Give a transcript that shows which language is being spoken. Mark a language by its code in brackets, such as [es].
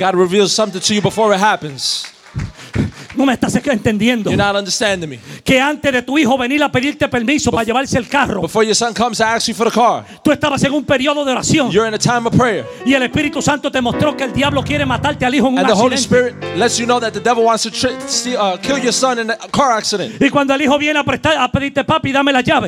[en] God reveals something to you before it happens. [es] No me estás entendiendo. [en] You're not understanding me. [es] Que antes de tu hijo venir a pedirte permiso para llevarse el carro. [en] Before your son comes to ask you for the car. [es] Tú estabas en un periodo de oración. [en] You're in a time of prayer. [es] Y el Espíritu Santo te mostró que el diablo quiere matarte al hijo en un accidente. [en] And the Holy Spirit lets you know that the devil wants to kill your son in a car accident. [es] Y cuando el hijo viene a pedirte papi, dame la llave.